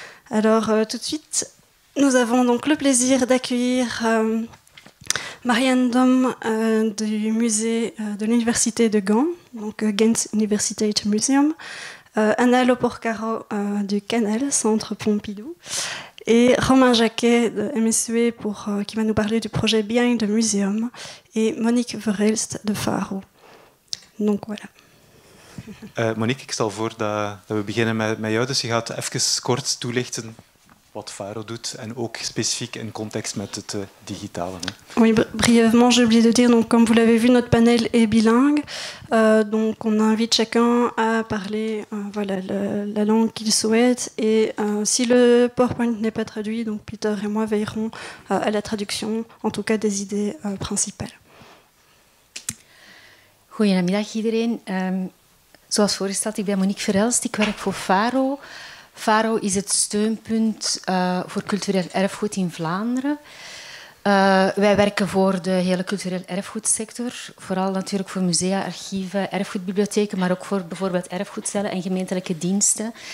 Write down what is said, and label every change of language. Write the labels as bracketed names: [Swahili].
[French] Alors, tout de suite, nous avons donc le plaisir d'accueillir Marianne Dom du musée de l'Université de Gand, donc Ghent University Museum, Anna Loporcaro du CANAL, Centre Pompidou, et Romain Jacquet de MSU qui va nous parler du projet Behind the Museum, et Monique Verhelst de Faro. Donc voilà. [Dutch] Monique, ik stel voor dat we beginnen met jou, dus je gaat even kort toelichten wat Faro doet en ook specifiek in context met het digitale. [French] Oui, brièvement, j'ai oublié de dire, donc comme vous l'avez vu, notre panel est bilingue. Donc on invite chacun à parler la langue qu'il souhaite. Et si le PowerPoint n'est pas traduit, donc Peter et moi veillerons à la traduction, en tout cas des idées principales. [Dutch] Goedemiddag iedereen. Zoals voorgesteld, ik ben Monique Verhelst, ik werk voor Faro. Faro is het steunpunt voor cultureel erfgoed in Vlaanderen. Wij werken voor de hele cultureel erfgoedsector. Vooral natuurlijk voor musea, archieven, erfgoedbibliotheken, maar ook voor bijvoorbeeld erfgoedcellen en gemeentelijke diensten.